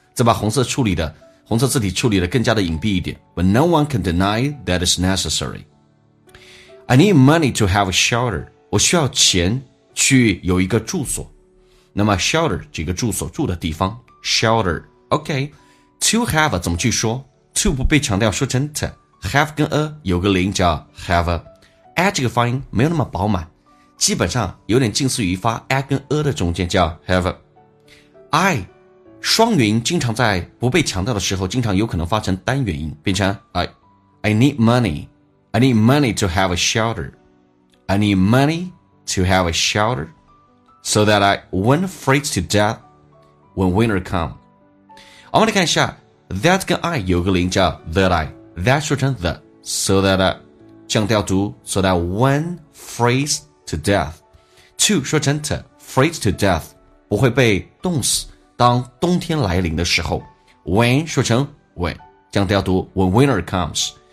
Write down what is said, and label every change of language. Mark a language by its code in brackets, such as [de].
[zh] 再把红色处理的红色字体处理的更加的隐蔽一点。 [en] But no one can deny that is necessary. I need money to have a shelter. [zh] 我需要钱去有一个住所。那么 shelter 这个住所住的地方 shelter， OK。 [en] To have [zh] 怎么去说 ？To 不被强调，说成 t。Have 跟 a 有个连音叫 have。 a 这个发音没有那么饱满，基本上有点近似于发 a 跟 a 的中间叫 have。 I 双元音经常在不被强调的时候，经常有可能发成单元音，变成 I。 [en] I need money. I need money to have a shelter. I need money to have a shelter so that I won't freeze to death when winter comes. [zh] 我们来看一下 that 跟 I 有个连音叫 that I， that 说成 the， [en] so that [zh] 降调读 so that when [en] freeze to death， [zh] to 说成 to， freeze to death 不会被冻死，当冬天来临的时候 when 说成 when， 降调读 [en] when winter comes。